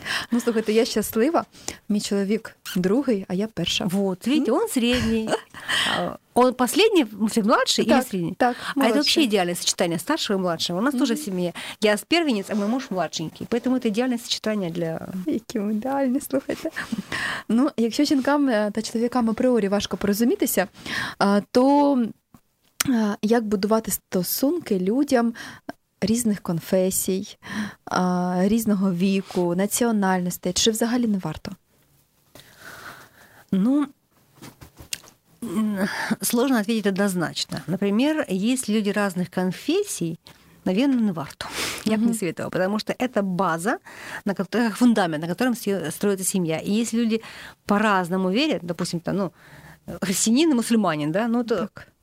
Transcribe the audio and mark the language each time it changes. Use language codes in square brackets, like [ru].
[ru] Ну, слушай, это я счастлива. Мой человек другой, [uk] а я перша. [ru] Вот, видите, он средний. Он последний, младший или средний? [uk] Так, [ru] младший. А это вообще идеальное сочетание старшего и младшего. У нас тоже в семье. Я первенец, а мой муж младшенький. Поэтому это идеальное сочетание для... Яким идеальным, слушайте. [uk] Ну, если жінкам та чоловікам априорі важко порозумітися, то... Як будувати стосунки людям різних конфесій, різного віку, національностей? Чи взагалі не варто? [ru] Ну, сложно ответить однозначно. Например, есть люди разных конфессий, наверное, [uk] не варто. [ru] Я бы не советовала, потому что это база, как фундамент, на котором строится семья. И если люди по-разному верят, допустим, там, ну, христианин и мусульманин, да, ну, то... Так.